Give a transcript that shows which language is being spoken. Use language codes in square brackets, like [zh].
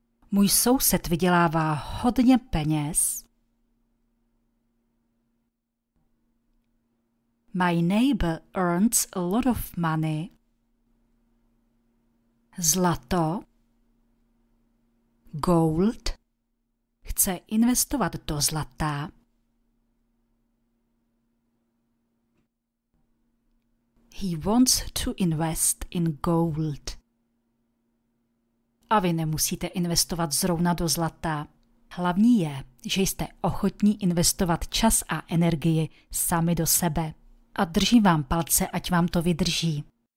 [cs] Můj soused vydělává hodně peněz. [en] My neighbor earns a lot of money. [cs] Zlato. Gold. Chce investovat do zlata. [en] He wants to invest in gold. [cs] A vy nemusíte investovat zrovna do zlata. Hlavní je, že jste ochotní investovat čas a energii sami do sebe. A držím vám palce, ať vám to vydrží.